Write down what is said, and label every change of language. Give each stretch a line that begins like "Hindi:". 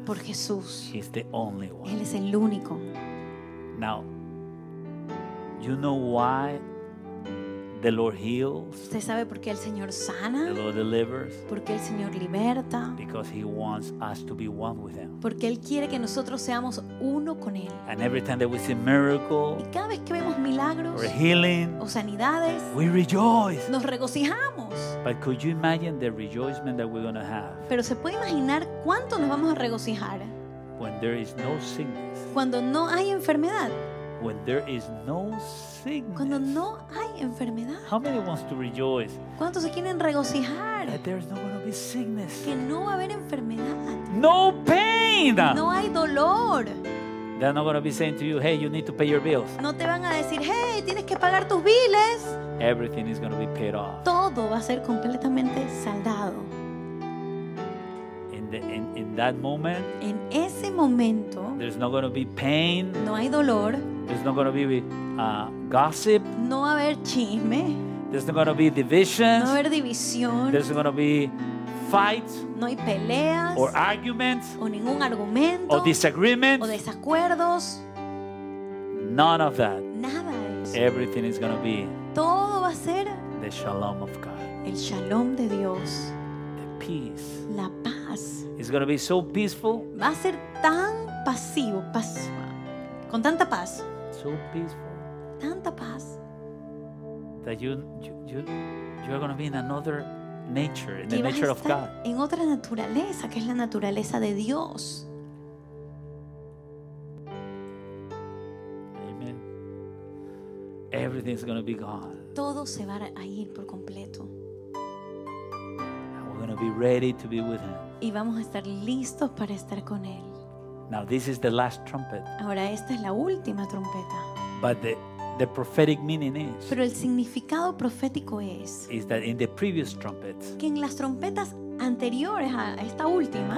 Spanish: Por Jesús.
English: He's the only one.
Spanish: Él es el único.
English: Now, you know why The Lord heals.
Spanish: ¿Usted sabe por qué el Señor sana?
English: The Lord delivers.
Spanish: Porque el Señor liberta.
English: Because he wants us to be one with him.
Spanish: Porque él quiere que nosotros seamos uno con él.
English: And every time that we see miracles,
Spanish: y cada vez que vemos milagros,
English: or healing,
Spanish: o sanidades,
English: we rejoice.
Spanish: Nos regocijamos.
English: But could you imagine the rejoicement that we're going to have?
Spanish: Pero se puede imaginar cuánto nos vamos a regocijar.
English: When there is no sickness.
Spanish: Cuando no hay enfermedad.
English: When there is no sickness.
Spanish: Cuando no hay enfermedad.
English: How many wants to rejoice?
Spanish: ¿Cuántos se quieren regocijar?
English: That there is not going to be sickness.
Spanish: Que no va a haber enfermedad.
English: No pain.
Spanish: No hay dolor.
English: They're not going to be saying to you, hey, you need to pay your bills.
Spanish: No te van a decir, hey, tienes que pagar tus biles.
English: Everything is going to be paid off.
Spanish: Todo va a ser completamente saldado.
English: In that moment,
Spanish: en ese momento,
English: there's not going to be pain.
Spanish: No hay dolor.
English: There's not going to be gossip.
Spanish: No va a haber chisme.
English: There's not going to be divisions.
Spanish: No va a haber división.
English: There's not going to be fights.
Spanish: No hay peleas.
English: Or arguments.
Spanish: O ningún argumento.
English: Or disagreements.
Spanish: O desacuerdos.
English: None of that.
Spanish: Nada de eso.
English: Everything is going to be.
Spanish: Todo va a ser.
English: The shalom of God.
Spanish: El shalom de Dios.
English: The peace.
Spanish: La paz.
English: It's going to be so peaceful.
Spanish: Va a ser tan pasivo, pasivo. Con tanta paz.
English: So peaceful.
Spanish: Tanta paz.
English: That you are going to be in another nature, in the nature of God.
Spanish: En otra naturaleza, que es la naturaleza de Dios.
English: Amen. Everything's going to be gone.
Spanish: Todo se va a ir por completo.
English: And we're going to be ready to be with him.
Spanish: Y vamos a estar listos para estar con él.
English: Now this is the last trumpet.
Spanish: Ahora esta es la última trompeta.
English: But the prophetic meaning is.
Spanish: Pero el significado profético es.
English: Is that in the previous trumpets.
Spanish: Que en las trompetas anteriores a esta última.